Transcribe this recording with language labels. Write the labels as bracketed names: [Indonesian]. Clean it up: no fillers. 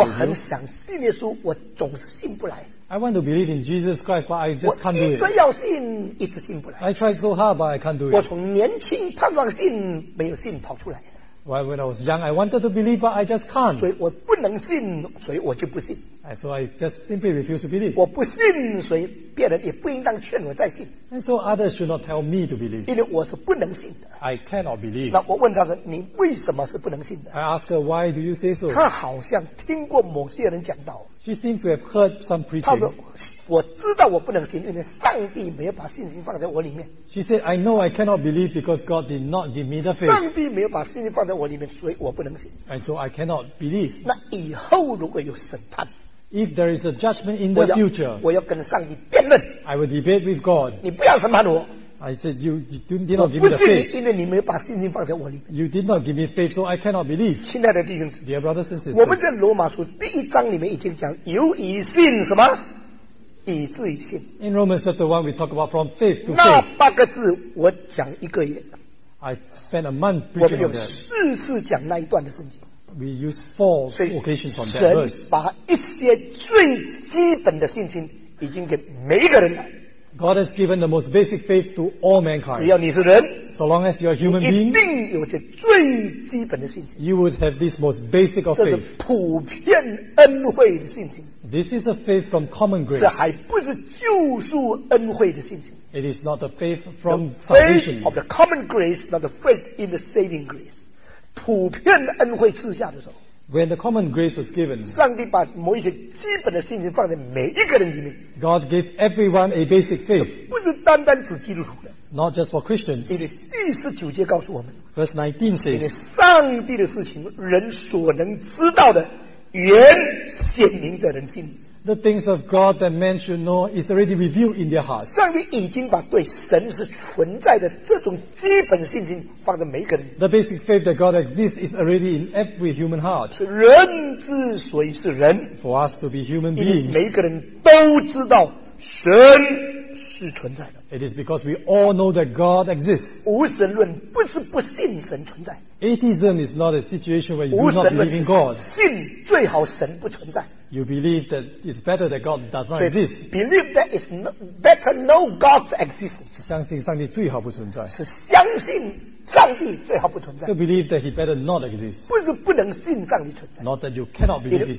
[Chinese] 我很想信耶稣，我总是信不来。 [English] I want to believe in Jesus Christ, but I just can't do it. [Chinese] 我一直要信，一直信不来。 [English] I tried so hard, but I can't do it. [Chinese] 我从年轻盼望信，没有信跑出来。 [English] Well, when I was young, I wanted to believe, but I just can't. [Chinese] 所以我不能信，所以我就不信。 [English] And so I just simply refuse to believe. [Chinese] 我不信，所以别人也不应当劝我再信。 [English] And so others should not tell me to believe. [Chinese] 因为我是不能信的。 [English] I cannot believe. [Chinese] 那我问他说，你为什么是不能信的？ [English] I asked her, why do you say so? [Chinese] 他好像听过某些人讲道。 [English] She seems to have heard some preaching. [Chinese] 他说，我知道我不能信，因为上帝没有把信心放在我里面。 [English] She said, I know I cannot believe because God did not give me the faith. [Chinese] 上帝没有把信心放在我里面，所以我不能信。 [English] And so I cannot believe. [Chinese] 那以后如果有审判， [English] If there is a judgment in the future, [Chinese] 我要跟上帝辩论。 [English] I will debate with God. [Chinese] 你不要审判我。 [English] I said, you did not give me the faith. [Chinese] 因为你没有把信心放在我里面。 [English] You did not give me faith, so I cannot believe. [Chinese] 亲爱的弟兄姊妹， [English] Dear brothers and sisters, [Chinese] 我们在罗马书第一章里面已经讲，由以信什么？以至于信。 [English] In Romans chapter 1, we talk about from faith to faith. [Chinese] 那八个字我讲一个月。 [English] I spent a month preaching on that. [Chinese] 我们有四次讲那一段的圣经。 [English] We use four occasions on that verse. [Chinese] 神把一些最基本的信心已经给每一个人了。 [English] God has given the most basic faith to all mankind. [Chinese] 只要你是人， [English] so long as you are human being, [Chinese] 你一定有这最基本的信心。 [English] You would have this most basic of faith. [Chinese] 这是普遍恩惠的信心。 [English] This is a faith from common grace. [Chinese] 这还不是救赎恩惠的信心。 [English] It is not a faith from the faith salvation. Faith of the common grace, not the faith in the saving grace. [Chinese] 普遍恩惠赐下的时候。 [English] When the common grace was given, [Chinese] 上帝把某一些基本的信心放在每一个人里面。 [English] God gave everyone a basic faith. [Chinese] 不是单单指基督徒的。 [English] Not just for Christians. [Chinese] 因为第十九节告诉我们。 [English] Verse 19 says, [Chinese] 因为上帝的事情，人所能知道的，原显明在人心里。 [English] The things of God that men should know is already revealed in their hearts. [Chinese] 上帝已经把对神是存在的这种基本信心放在每一个人。 [English] The basic faith that God exists is already in every human heart. [Chinese] 人之所以是人， [English] for us to be human beings, [Chinese] 每一个人都知道神是存在的。 [English] It is because we all know that God exists. [Chinese] 无神论不是不信神存在。 [English] Atheism is not a situation where you do not believe in God. [Chinese] 无神论信最好神不存在。 [English] You believe that it's better that God does not exist. Believe that it's better no God's existence. [Chinese] 相信上帝最好不存在。是相信上帝最好不存在。 [English] To believe that he better not exist. [Chinese] 不是不能信上帝存在。 [English] Not that you cannot believe his